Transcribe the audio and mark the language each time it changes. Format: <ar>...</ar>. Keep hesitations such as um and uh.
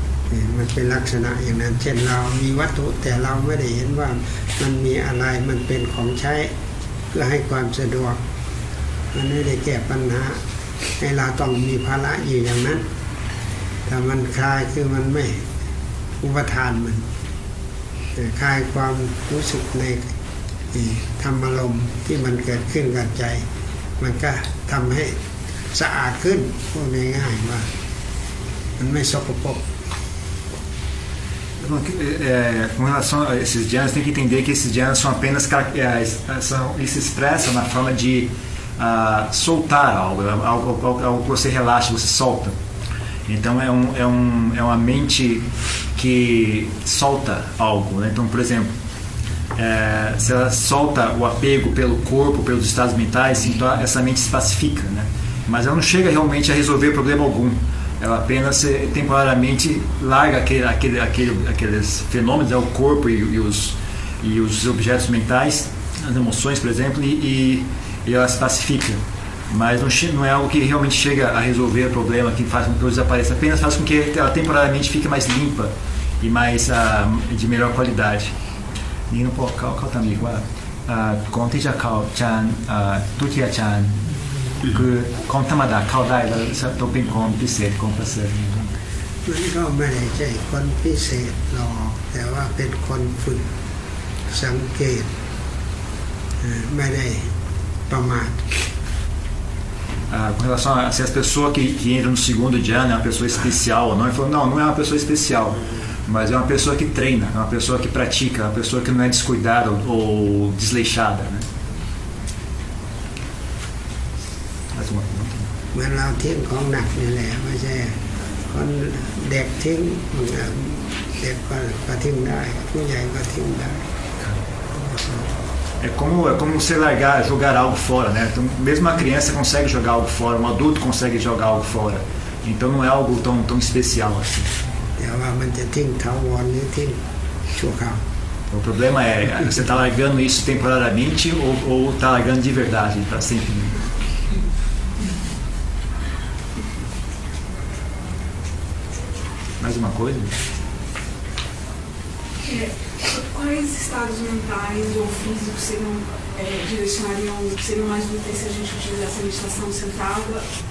<th>นี่มันเป็นลักษณะอย่างนั้น เช่นเรามีวัตถุแต่เราไม่ได้เห็นว่ามันมีอะไรมันเป็นของใช้เพื่อให้ความสะดวก มันไม่ได้แก้ปัญหา ให้เราต้องมีภาระอยู่อย่างนั้น ถ้ามันคลายคือมันไม่อุปทานมัน เอ่อคลายความรู้สึกในเอ่อธรรมารมณ์ที่มันเกิดขึ้นกับใจ มันก็ทำให้สะอาดขึ้นพูดง่ายๆว่า มันไม่สกปรก</th> <pt>Bom, que, é, com relação a esses jhanas, tem que entender que esses jhanas são apenas car- é, es- são, eles se expressam na forma de ah, soltar algo, é algo, algo, algo que você relaxa, você solta. Então é, um, é, um, é uma mente que solta algo. né? Então, por exemplo, é, se ela solta o apego pelo corpo, pelos estados mentais, então essa mente se pacifica, né? Mas ela não chega realmente a resolver problema algum. Ela apenas eh, temporariamente larga aquele, aquele, aquele, aqueles fenômenos, é o corpo e, e os, e os objetos mentais, as emoções, por exemplo, e, e, e ela se pacifica. Mas não, che- não é algo que realmente chega a resolver o problema, que faz com que ela desapareça. Apenas faz com que ela temporariamente fique mais limpa e mais ah, de melhor qualidade.</pt> <th>นี่น้องพวกเขาเขาตำหนิว่าอ่าก่อนที่จะเข้าฌานอ่าทุติยฌานคือของธรรมดาเข้าได้แล้วต้องเป็นของพิเศษของประเสริฐ มันก็ไม่ได้ใจคนพิเศษหรอกแต่ว่าเป็นคนฝึกสังเกตเอ่อไม่ได้ประมาท</th> <pt>Ah, com relação a se as pessoas que, que entram no segundo Jhana é uma pessoa especial ou não, ele falou, não, não é uma pessoa especial, mas é uma pessoa que treina, é uma pessoa que pratica, é uma pessoa que não é descuidada ou, ou desleixada. Né? Mais uma pergunta.</pt> <th>เหมือนเราทิ้งของหนักนี่แหละไม่ใช่คนเด็กทิ้งเด็กก็ก็ทิ้งได้ ผู้ใหญ่ก็ทิ้งได้</th> <pt>É como, é como você largar, jogar algo fora, né? Então, mesmo uma criança consegue jogar algo fora, um adulto consegue jogar algo fora. Então não é algo tão, tão especial assim.</pt> <th>แต่ว่ามันจะทิ้งถาวรหรือทิ้งชั่วคราว</th> <pt>O problema é, você está largando isso temporariamente ou está largando de verdade para sempre? né? Mais uma coisa? É, quais estados mentais ou físicos seriam, é, direcionariam, seriam mais úteis se a gente utilizasse a meditação centrada?</pt>